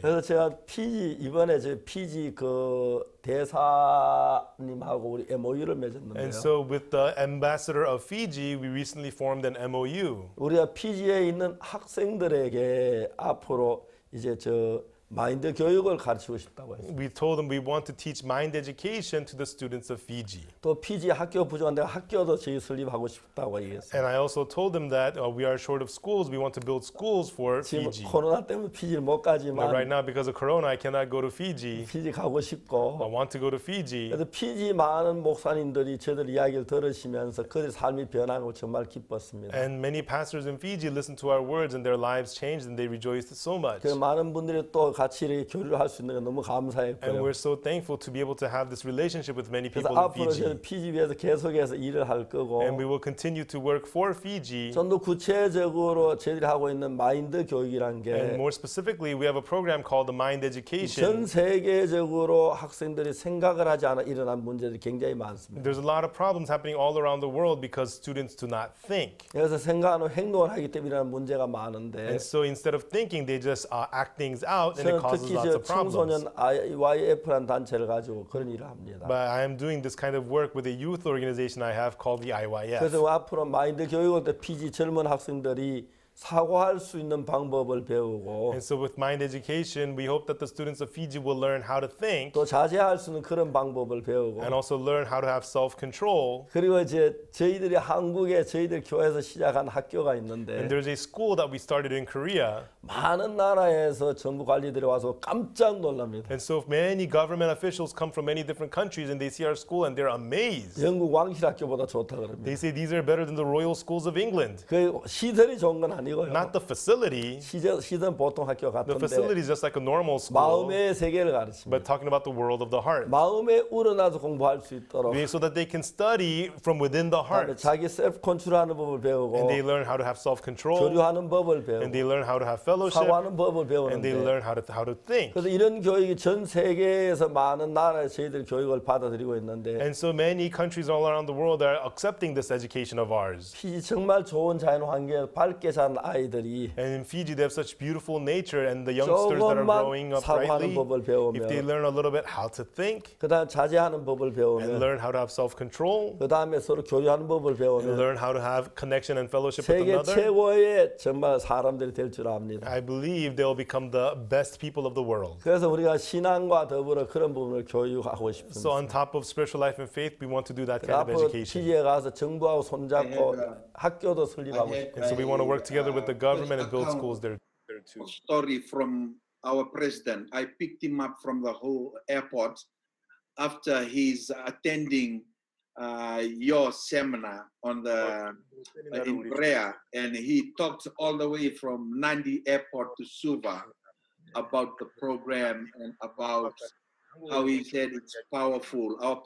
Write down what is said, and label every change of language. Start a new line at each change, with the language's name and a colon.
Korean: 그래서 제가 피지 이번에 제 피지 그 대사님하고 우리 MOU를 맺었는데요.
English: And so with the ambassador of Fiji, we recently formed an MOU.
Korean: 우리가 피지에 있는 학생들에게 앞으로 이제 저 마인드 교육을 가르치고 싶다고 했어요.
English: We told them we want to teach mind education to the students of Fiji.
Korean: 또 피지 학교 부족한데 학교도 저희 설립하고 싶다고 했어요.
English: And I also told them that we are short of schools. We want to build schools for Fiji.
Korean: 지금 코로나 때문에 피지를 못 가지만.
English: But right now because of Corona, I cannot go to Fiji.
Korean: 피지 가고 싶고.
English: I want to go to Fiji.
Korean: 그래서 피지 많은 목사님들이 저들 이야기를 들으시면서 그들 삶이 변하고 정말 기뻤습니다.
English: And many pastors in Fiji listened to our words and their lives changed and they rejoiced so much.
Korean: 그 많은 분들이 또 같이 교류를 할 수 있는 게 너무 감사했고요.
English: And we're so thankful to be able to have this relationship with many people in Fiji.
Korean: 그래서 앞으로 피지 위해서 계속해서 일을 할 거고.
English: And we will continue to work for Fiji.
Korean: 좀더 구체적으로 저희들이 하고 있는 마인드 교육이란 게.
English: And more specifically, we have a program called the Mind Education.
Korean: 전 세계적으로 학생들이 생각을 하지 않아 일어난 문제들이 굉장히 많습니다.
English: There's a lot of problems happening all around the world because students do not think.
Korean: 그래서 생각하고 행동을 하기 때문에 이런 문제가 많은데.
English: And so instead of thinking, they just act things out. And
Korean: 저는 특히 저 청소년 IYF라는 단체를 가지고 그런 일을 합니다.
English: But I am doing this kind of work with a youth organization I have called the IYF.
Korean: 그래서 앞으로 마인드 교육을 때 PG 젊은 학생들이 사고할 수 있는 방법을 배우고
English: And so with mind education, we hope that the students of Fiji will learn how to think.
Korean: 또 자제할 수 있는 그런 방법을 배우고
English: And also learn how to have self-control.
Korean: 그리고 이제 저희들이 한국에 저희들 교회에서 시작한 학교가 있는데
English: And there's a school that we started in Korea.
Korean: 많은 나라에서 정부 관리들이 와서 깜짝 놀랍니다.
English: And so many government officials come from many different countries and they see our school and they're amazed.
Korean: 영국 왕실 학교보다 좋다 그럽니다.
English: They say these are better than the royal schools of England.
Korean: 그 시설이 좋은 건 아니고요.
English: Not the facility.
Korean: 시설 보통 학교 같은데.
English: The facility is just like a normal school.
Korean: 마음의 세계를 가르칩니다.
English: But talking about the world of the heart.
Korean: 마음에 우러나서 공부할 수 있도록.
English: So that they can study from within the heart.
Korean: 자기 self-control하는 법을 배우고.
English: And they learn how to have self-control.
Korean: 교류하는 법을 배우고.
English: And they learn how to have fellowship.
Korean: 사고하는 법을 배우는데.
English: And they learn how to think.
Korean: 그래서 이런 교육이 전 세계에서 많은 나라에서 저희들 교육을 받아들이고 있는데.
English: And so many countries all around the world are accepting this education of ours.
Korean: 정말 좋은 자연 환경, 밝게 아이들이
English: And in Fiji they have such beautiful nature and the youngsters that are growing up rightly. If they learn a little bit how to think.
Korean: 그다음 자제하는 법을 배우면
English: And learn how to have self-control.
Korean: 그다음에 서로 교류하는 법을 배우면
English: And learn how to have connection and fellowship with another.
Korean: 세계 최고의 정말 사람들이 될 줄 압니다.
English: I believe they will become the best people of the world.
Korean: 그래서 우리가 신앙과 더불어 그런 부분을 교육하고 싶습니다.
English: So on top of spiritual life and faith we want to do that kind of education.
Korean: 피지에 가서 정부하고 손잡고 학교도 설립하고 싶습니다.
English: So we want to work together with the government and build schools there too. Story from our president. I picked him up from the whole airport after he's attending your seminar on the in prayer, and he talked all the way from Nandi Airport to Suva about the program and about how he said it's powerful.